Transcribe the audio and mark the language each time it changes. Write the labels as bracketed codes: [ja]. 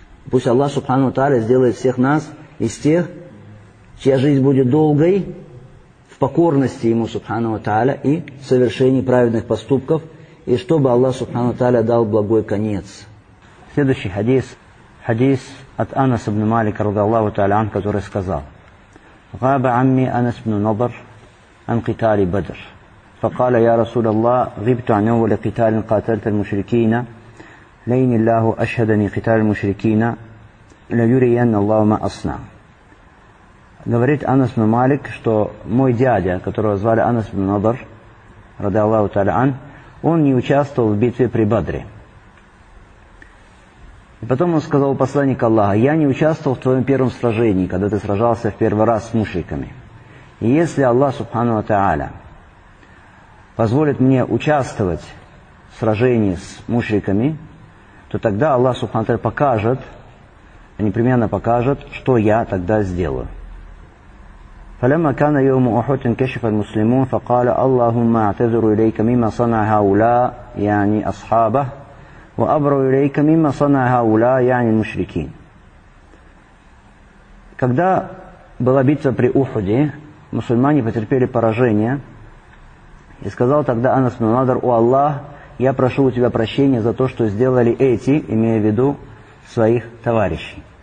[ru] Пусть Аллах Субхану Тааля сделает всех нас из тех, чья жизнь будет долгой, в покорности Ему Субхану Тааля и в совершении праведных поступков, и чтобы Аллах Субхану Тааля дал благой конец. Следующий хадис. Хадис от Анаса ибн Малика, радиаллаху тааля анху, который сказал: [ar] «Габа амми Анас ибн Назар ан китали бадр». فقال يا رسول الله غبت عن أول قتال قاتلت المشركين لين الله أشهدني قتال المشركين لا يرين الله ما أصنع. [ru] Говорит Анас ибн Малик, что мой дядя, которого звали Анас ибн Назар, [ar] رضي الله تعالى عنه, [ru] он не участвовал в битве при Бадре. И потом он сказал посланнику Аллаха: я не участвовал в твоем первом сражении, когда ты сражался в первый раз с мушриками. И если Аллах Субхану ва Тааля позволит мне участвовать в сражении с мушриками, то тогда Аллах Субхану ва Тааля покажет, непременно покажет, что я тогда сделаю. [ar] فلما كان يوم أحد كشف المسلمون فقال اللهم أعتذر إليك مما صنع هؤلاء يعني أصحابه وأبرأ إليك مما صنع هؤلاء يعني المشركين. [ru] Когда была битва при Ухуде, мусульмане потерпели поражение. И сказал тогда Анас ибн Назар: «О Аллах, я прошу у тебя прощения за то, что сделали эти, имея в виду своих товарищей.